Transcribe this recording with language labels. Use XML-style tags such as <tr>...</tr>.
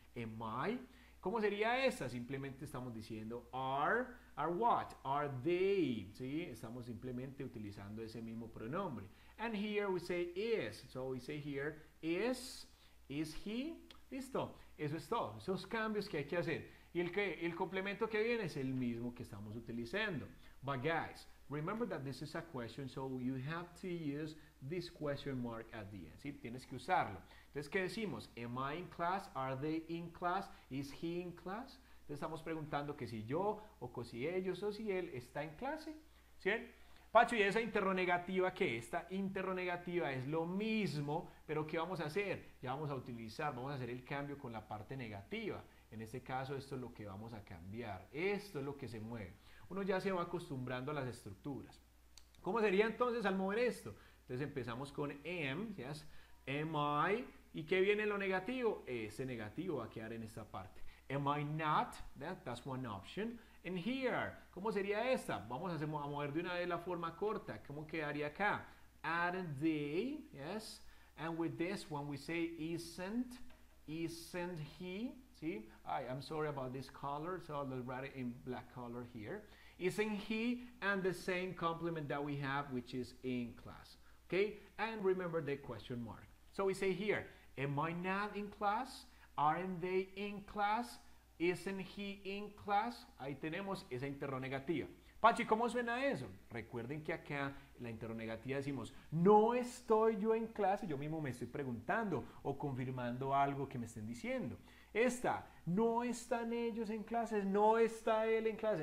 <en>Am I.</en> <es>¿Cómo sería esta? Simplemente estamos diciendo</es> <en>are what, are they.</en> <es>¿Sí? Estamos simplemente utilizando ese mismo pronombre.</es> <en>And here we say is. So we say here is he.</en> <es>Listo. Eso es todo. Esos cambios que hay que hacer. Y el complemento que viene es el mismo que estamos utilizando.</es> <en>But guys, remember that this is a question, so you have to use this question mark at the end.</en> <es>¿Sí? Tienes que usarlo. Entonces, ¿qué decimos?</es> <en>Am I in class? Are they in class? Is he in class?</en> <es>Entonces, estamos preguntando que si yo, o si ellos, o si él está en clase. ¿Sí? Pacho, ¿y esa interronegativa qué? Esta interronegativa es lo mismo, pero ¿qué vamos a hacer? Ya vamos a utilizar, vamos a hacer el cambio con la parte negativa. En este caso, esto es lo que vamos a cambiar. Esto es lo que se mueve. Uno ya se va acostumbrando a las estructuras. ¿Cómo sería entonces al mover esto? Entonces empezamos con am, yes, am I, ¿y qué viene lo negativo? Ese negativo va a quedar en esta parte.</es> <en>Am I not, that's one option. And here,</en> <es>¿cómo sería esta? Vamos a mover de una vez la forma corta. ¿Cómo quedaría acá?</es> <en>Aren't they, yes. And with this one we say isn't he.</en> <es>¿Sí?</es> <en>I'm sorry about this color, so I'll write it in black color here. Isn't he? And the same complement that we have, which is in class. Okay? And remember the question mark. So we say here, am I not in class? Aren't they in class? Isn't he in class?</en> <es>Ahí tenemos esa interronegativa. Pachi, ¿cómo suena eso? Recuerden que acá en la interrogativa decimos, no estoy yo en clase, yo mismo me estoy preguntando o confirmando algo que me estén diciendo. Esta, no están ellos en clase, no está él en clase.</es>